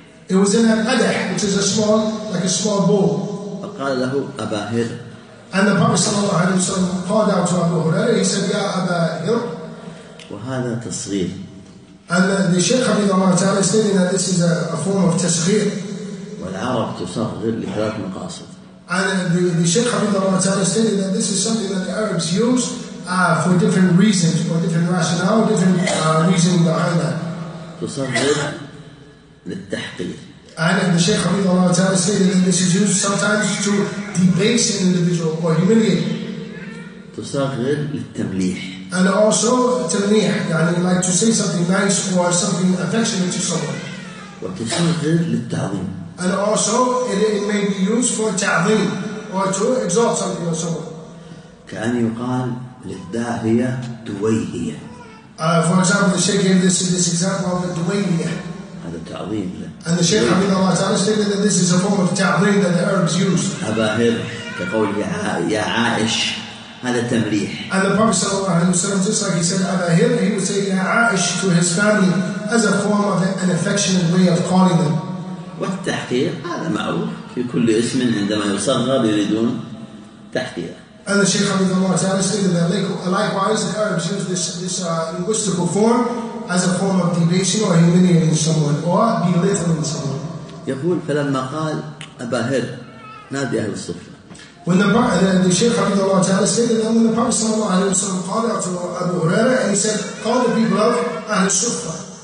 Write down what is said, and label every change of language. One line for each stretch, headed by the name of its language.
English: It was in a qadah, which is a small, like a small bowl.
Arabic: فقال له أبا هر.
English: And the Prophet
Arabic: sallallahu alayhi wa sallam
English: called out to Abu Huraira, he said, Ya Aba Hir.
Arabic: وهذا تصغير.
English: And the Shaykh
Arabic: رضي الله تعالى
English: stating that this is a form of تصغير.
Arabic: والعرب تصغر لثلاث مقاصد.
English: And the Shaykh
Arabic: رضي الله تعالى
English: stating that this is something that the Arabs use for different reasons, for different rationale, different reasoning behind that.
Arabic: تصغر للتحقير.
English: And the Shaykh
Arabic: رضي الله تعالى
English: stating that this is used sometimes to debase an individual or humiliate.
Arabic: تصغر للتمليح.
English: And also تمليح, يعني like to say something nice or something affectionate to someone.
Arabic: وتصغر للتعظيم.
English: And also it may be used for تعظيم or to exalt something or someone.
Arabic: كأن يقال للداهية دويهية.
English: For example, the Shaykh gave this example of the دويهية.
Arabic: هذا تعظيم.
English: And the Shaykh
Arabic: رضي الله تعالى
English: stated that this is a form of تعظيم that the Arabs use.
Arabic: أباهر كقول يا عائش.
English: And the Prophet
Arabic: sallallahu alayhi wa sallam,
English: just like he said Aba Hir, he would say Ya Aish to his family as a form of an affectionate way of calling them. What tahqir?
Arabic: هذا معروف في كل اسم عندما يصغر يريدون تحقير.
English: And the Shaykh Abdullah Ta'ala stated that likewise the Arabs use this linguistical form as a form of debasing or humiliating someone or belittling someone.
Arabic: يقول فلما قال Aba Hir نادي أهل الصفة.
English: When the Shaykh Abdullah Ta'ala stated that when the Prophet
Arabic: sallallahu alayhi wa sallam
English: called out to Abu Huraira and he said, call the people of Ahl al-Sufah.